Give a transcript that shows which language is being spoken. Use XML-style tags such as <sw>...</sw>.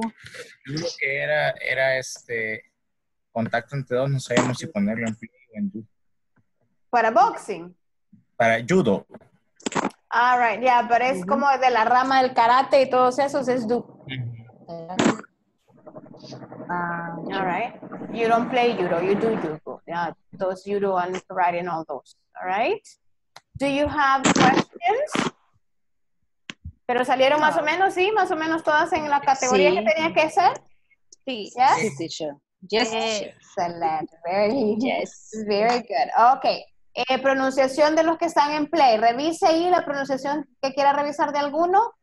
<es>Lo que era este contacto entre dos, no sabíamos si ponerlo en play o en do. Para boxing. Para judo.</es> <en>All right, yeah,</en> <es>pero es como de la rama del karate y todos esos es do.</es> <en>All right, you don't play judo, you do judo. Yeah, those judo and karate and all those. All right. Do you have questions?</en> <es>Pero salieron más o menos, sí, más o menos todas en la categoría que tenía que ser.</es> <en>Sí. Yes. Sí, teacher. Yes. Excellent. Very. Yes. Very good. Okay.</en> <es>Pronunciación de los que están en play. Revise ahí la pronunciación que quiera revisar de alguno.</es>